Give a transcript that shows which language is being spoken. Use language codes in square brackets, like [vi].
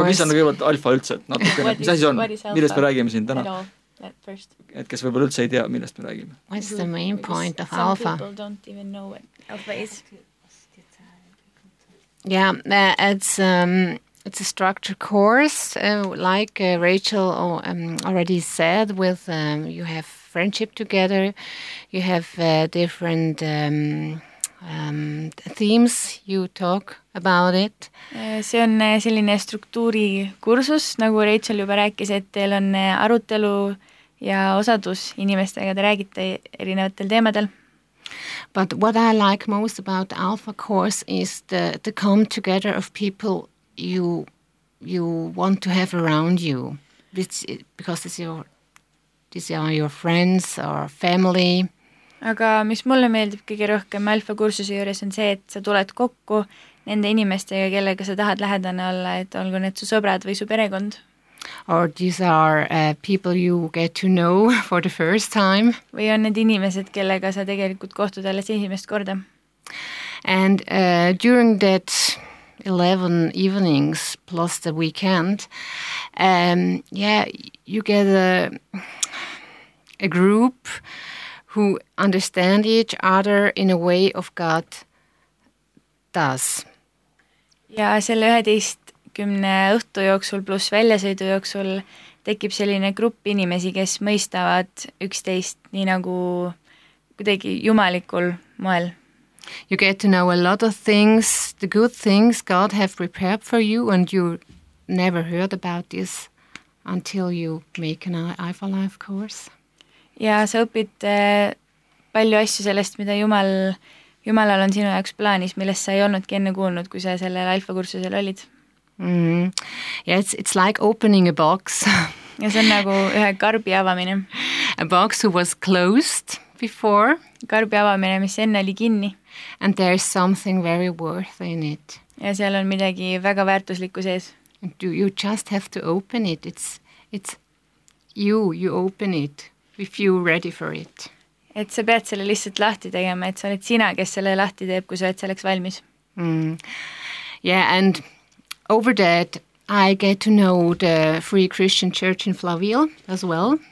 [et] Aga mis on kõigepealt Alpha üldse? Mis asi on? Millest me räägime siin täna? Et kes võib-olla üldse ei tea, millest me räägime? [en] What's the main point of Alpha? Some people don't even know what Alpha is. Yeah, it's a structure course, like Rachel already said, with you have friendship together, you have different themes, you talk about it. [et] See on selline struktuuri kursus, nagu Rachel juba rääkis, et teil on arutelu ja osadus inimestega, te räägite erinevatel teemadel. [en] But what I like most about the Alpha course is the come together of people you want to have around you, because these are your friends or family. [et] Aga mis mulle meeldib kõige rohkem Alpha kursuse juures on see, et sa tuled kokku nende inimestega, kellega sa tahad lähedane olla, et olgu need su sõbrad või su perekond. [en] Or these are people you get to know for the first time. [et] Või on need inimesed, kellega sa tegelikult kohtud alles esimest korda. [en] And during that 11 evenings plus the weekend, you get a group who understand each other in a way of God does. [et] Ja selle 11 kümne õhtu jooksul pluss väljasõidu jooksul tekib selline grupp inimesi, kes mõistavad üksteist nii nagu kuidagi jumalikul moel. [en] You get to know a lot of things, the good things God have prepared for you and you never heard about this until you make an IFA life course. [et] Ja sa õpid palju asju sellest, mida Jumalal on sinu jaoks plaanis, millest sa ei olnudki enne kuulnud, kui sa sellel IFA kursusel olid. Mm-hmm. [en] Yeah, it's like opening a box. [et] Ja see on nagu ühe karbi avamine. [en] A box who was closed before. [et] Karbi avamine, mis enne oli kinni. [en] And there is something very worth in it. [et] Ja seal on midagi väga väärtuslikku sees. [en] You just have to open it. It's you open it if you ready for it. [et] Et sa pead selle lihtsalt lahti tegema, et sa oled sina, kes selle lahti teeb, kui sa oled selleks valmis. Mm. [en] Yeah, and over that I get to know the Free Christian Church in Flaville as well.